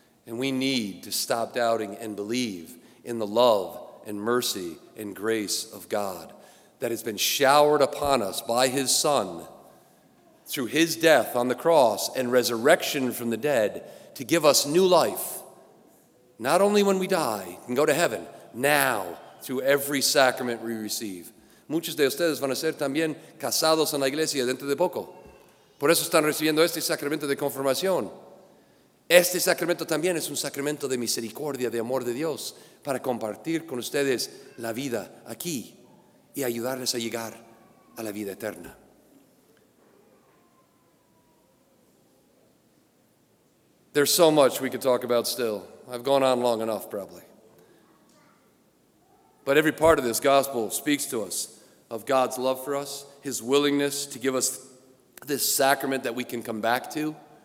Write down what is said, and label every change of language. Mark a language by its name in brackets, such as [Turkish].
[English] And we need to stop doubting and believe in the love and mercy and grace of God that has been showered upon us by his Son through his death on the cross and resurrection from the dead to give us new life, not only when we die and go to heaven, now through every sacrament we receive. [Spanish] Muchos de ustedes van a ser también casados en la iglesia dentro de poco. Por eso están recibiendo este sacramento de confirmación. Este sacramento también es un sacramento de misericordia, de amor de Dios, para compartir con ustedes la vida aquí y ayudarles a llegar a la vida eterna. [English] There's so much we could talk about still. I've gone on long enough, probably. But every part of this gospel speaks to us of God's love for us, his willingness to give us this sacrament that we can come back to.